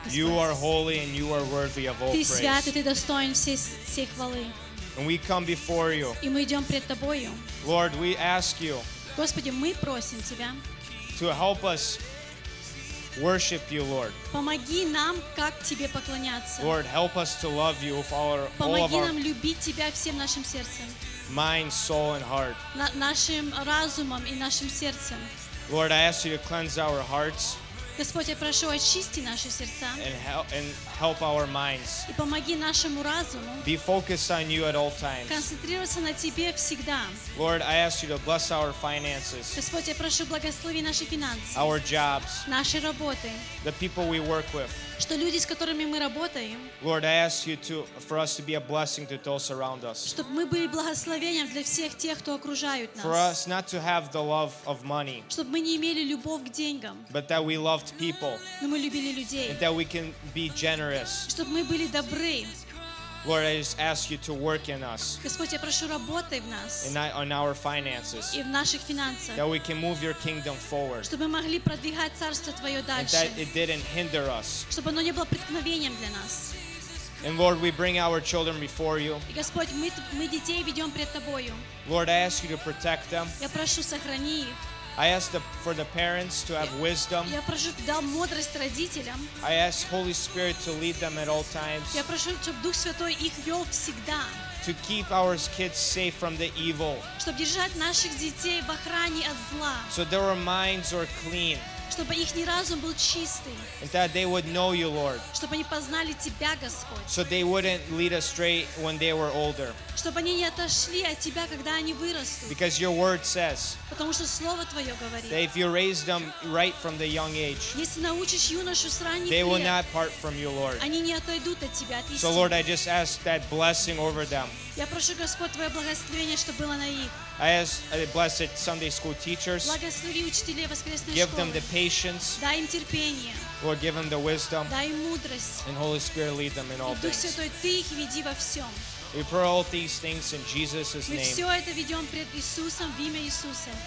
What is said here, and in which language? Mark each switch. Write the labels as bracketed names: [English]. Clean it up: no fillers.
[English] You are holy and you are worthy of all praise. [Russian] Ты свят и ты достоин всей хвалы. [English] And we come before you. [Russian] И мы идем пред тобою. [English] Lord, we ask you. [Russian] Господи, мы просим тебя. [English] To help us worship you, Lord. [Russian] Помоги нам, как тебе поклоняться. [English] Lord, help us to love you with [Russian] Помоги нам любить тебя всем нашим сердцем. [English] Mind, soul, and heart. [Russian] Нашим разумом и нашим сердцем. [English] Lord, I ask you to cleanse our hearts. [Russian] Господь, я прошу очисти наши сердца. [English] And help our minds. [Russian] И помоги нашему разуму. [English] Be focused on you at all times. [Russian] Концентрироваться на тебе всегда. [English] Lord, I ask you to bless our finances. [Russian] Господь, я прошу благослови наши финансы. [English] Our jobs. [Russian] Наши работы. [English] The people we work with. [Russian] Что люди, с которыми мы работаем. [English] Lord, I ask you for us to be a blessing to those around us. [Russian] Чтобы мы были благословением для всех тех, кто окружают нас. [English] For us not to have the love of money. [Russian] Чтобы мы не имели любовь к деньгам. [English] But that we loved people. [Russian] Но мы любили людей. [English] And that we can be generous. [Russian] Чтобы мы были добры. [English] Lord, I just ask you to work in us. [Russian] Господь, я прошу, работай в нас. [English] And on our finances. [Russian] И в наших финансах. [English] That we can move your kingdom forward. [Russian] Чтобы мы могли продвигать царство твое дальше. [English] And that it didn't hinder us. [Russian] Чтобы оно не было преткновением для нас. [English] And Lord, we bring our children before you. [Russian] И Господь, мы детей ведем пред тобою. [English] Lord, I ask you to protect them. [Russian] Я прошу, сохрани их. [English] I ask for the parents to have wisdom. [Russian] Я прошу, дай мудрость родителям. [English] I ask Holy Spirit to lead them at all times. [Russian] Я прошу, чтобы Дух Святой их вел всегда. [English] To keep our kids safe from the evil. [Russian] Чтобы держать наших детей в охране от зла. [English] So their minds are clean. [Russian] Чтобы их разум был чистый. [English] And that they would know you, Lord. [Russian] Чтобы они познали тебя, Господь. [English] So they wouldn't lead astray when they were older. [Russian] Чтобы они не отошли от тебя, когда они вырастут. [English] Because your word says. [Russian] Потому что слово твое говорит. [English] That if you raise them right from the young age. [Russian] Если научишь юношу с ранних лет. [English] They will not part from you, Lord. [Russian] Они не отойдут от тебя, от истины. [English] So Lord, I just ask that blessing over them. [Russian] Я прошу, Господь, твое благословение, чтобы было на них. [English] I ask the blessed Sunday school teachers. [Russian] Благослови учителей воскресной школы. [English] Give them the patience. [Russian] Дай им терпение. [English] Lord, give them the wisdom. [Russian] Дай им мудрость. [English] And Holy Spirit, lead them in all things. [Russian] Дух Святой, ты их веди во всем. [English] We pray all these things in Jesus' name. [Russian] Мы все это ведем пред Иисусом в имя Иисуса.